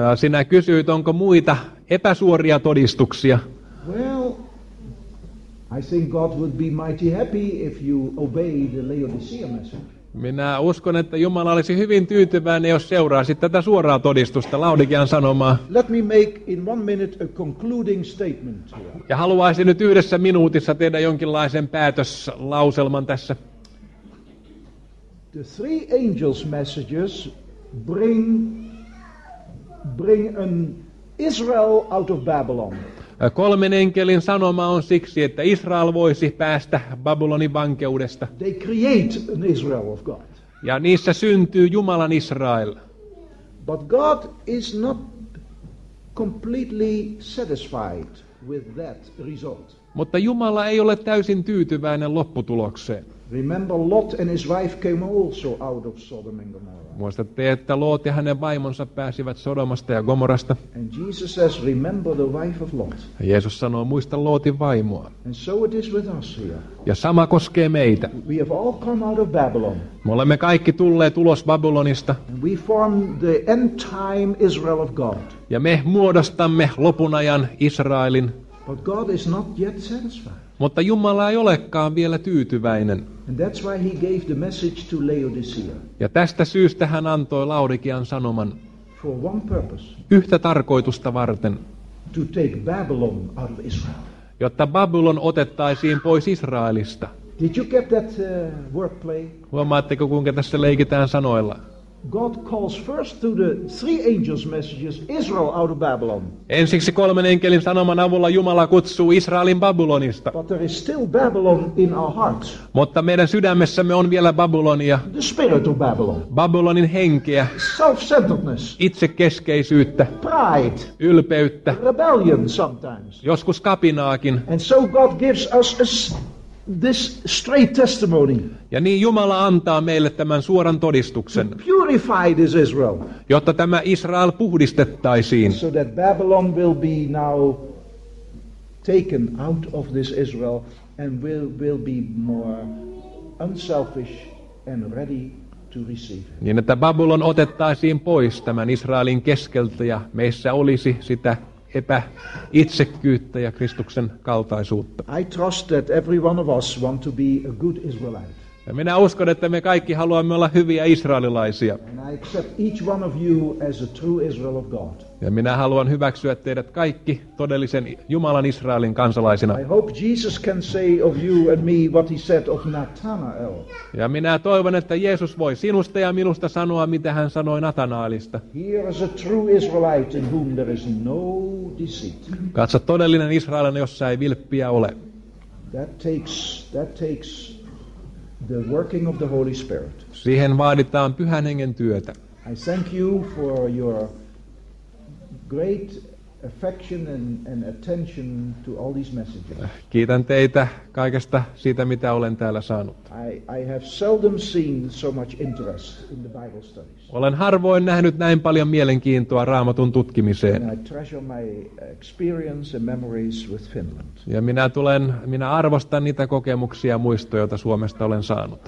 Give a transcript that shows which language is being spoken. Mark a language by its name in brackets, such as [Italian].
[Finnish] Sinä kysyit, onko muita epäsuoria todistuksia. [English] Well, I think God would be mighty happy if you obey the Laodicea message. [Finnish] Minä uskon, että Jumala olisi hyvin tyytyväinen, jos seuraisit tätä suoraa todistusta, Laodikean sanomaa. [English] Let me make in one minute a concluding statement here. [Finnish] Ja haluaisin nyt yhdessä minuutissa tehdä jonkinlaisen päätöslauselman tässä. [English] The three angels' messages bring an Israel out of Babylon. [Finnish] Kolmen enkelin sanoma on siksi, että Israel voisi päästä Babylonin vankeudesta. [English] They create an Israel of God. [Finnish] Ja niissä syntyy Jumalan Israel. [English] But God is not completely satisfied with that result. [Finnish] Mutta Jumala ei ole täysin tyytyväinen lopputulokseen. [English] Remember, Lot and his wife came also out of Sodom and Gomorrah. [Finnish] Muistatte, että Lot ja hänen vaimonsa pääsivät Sodomasta ja Gomorasta. [English] And Jesus says, remember the wife of Lot. [Finnish] Jeesus sanoo, muista Lotin vaimoa. [English] And so it is with us here. [Finnish] Ja sama koskee meitä. [English] We have all come out of Babylon. [Finnish] Me olemme kaikki tulleet ulos Babylonista. [English] And we form the end time Israel of God. [Finnish] Ja me muodostamme lopun ajan Israelin. [English] But God is not yet satisfied. [Finnish] Mutta Jumala ei olekaan vielä tyytyväinen. [English] And that's why he gave the message to Laodicea. [Finnish] Ja tästä syystä hän antoi Laodikean sanoman. [English] For one purpose. [Finnish] Yhtä tarkoitusta varten. [English] To take Babylon out of Israel. [Finnish] Jotta Babylon otettaisiin pois Israelista. [English] Did you get that wordplay? [Finnish] Huomaatteko, kuinka tässä leikitään sanoilla? [English] God calls first through the three angels' messages Israel out of Babylon. [Finnish] Ensiksi kolmen enkelin sanoman avulla Jumala kutsuu Israelin Babylonista. [English] But there is still Babylon in our hearts. [Finnish] Mutta meidän sydämessämme on vielä Babylonia. [English] The spirit of Babylon. [Finnish] Babylonin henkeä. [English] Self-centeredness. [Finnish] Itsekeskeisyyttä. [English] Pride. [Finnish] Ylpeyttä. [English] Rebellion sometimes. [Finnish] Joskus kapinaakin. [English] And so God gives us this straight testimony. [Finnish] Ja niin Jumala antaa meille tämän suoran todistuksen. [English] Purify this Israel. [Finnish] Jotta tämä Israel puhdistettaisiin. [English] So that Babylon will be now taken out of this Israel and will be more unselfish and ready to receive. [Finnish] Niin että Babylon otettaisiin pois tämän Israelin keskeltä ja meissä olisi sitä epäitsekkyyttä ja Kristuksen kaltaisuutta. [English] I trust that every one of us want to be a good Israelite. [Finnish] Ja minä uskon, että me kaikki haluamme olla hyviä israelilaisia. [English] And I accept each one of you as a true Israel of God. [Finnish] Ja minä haluan hyväksyä teidät kaikki todellisen Jumalan Israelin kansalaisina. [English] I hope Jesus can say of you and me what he said of Nathanael. [Finnish] Ja minä toivon, että Jeesus voi sinusta ja minusta sanoa, mitä hän sanoi Nathanaelista. [English] Here is a true Israelite in whom there is no deceit. [Finnish] Katso todellinen israelilainen, jossa ei vilppiä ole. [English] That takes the working of the Holy Spirit. [Finnish] Siihen vaaditaan Pyhän Hengen työtä. [English] I thank you for your great affection and attention to all these messages. [Finnish] Kiitän teitä kaikesta siitä, mitä olen täällä saanut. [English] I have seldom seen so much interest in the Bible studies. [Finnish] Olen harvoin nähnyt näin paljon mielenkiintoa Raamatun tutkimiseen. [English] And I treasure my experience and memories with Finland. [Finnish] Ja minä arvostan niitä kokemuksia ja muistoja, joita Suomesta olen saanut.